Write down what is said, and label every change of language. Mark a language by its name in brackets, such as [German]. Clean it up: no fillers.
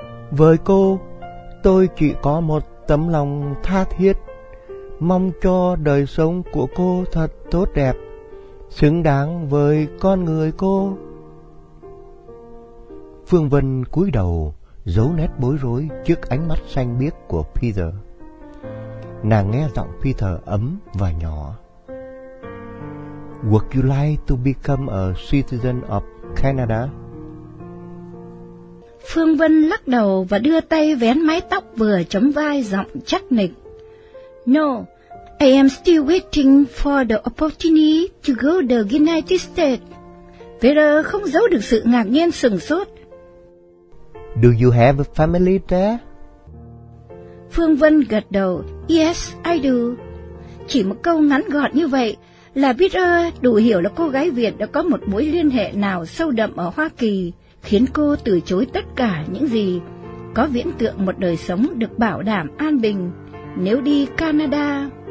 [Vietnamese] Với cô, tôi chỉ có một tấm lòng tha thiết, mong cho đời sống của cô thật tốt đẹp, xứng đáng với con người cô. Phương Vân cúi đầu, giấu nét bối rối trước ánh mắt xanh biếc của Peter. Nàng nghe giọng Peter ấm và nhỏ. [English] Would you like to become a citizen of Canada? [Vietnamese] Phương Vân lắc đầu và đưa tay vén mái tóc vừa chấm vai, giọng chắc nịch. [English] No, I am still waiting for the opportunity to go to the United States. [Vietnamese] Peter không giấu được sự ngạc nhiên sửng sốt. [English] Do you have a family there? [Vietnamese] Phương Vân gật đầu. [English] Yes, I do. [Vietnamese] Chỉ một câu ngắn gọn như vậy là Peter đủ hiểu là cô gái Việt đã có một mối liên hệ nào sâu đậm ở Hoa Kỳ, khiến cô từ chối tất cả những gì có viễn tượng một đời sống được bảo đảm an bình nếu đi Canada.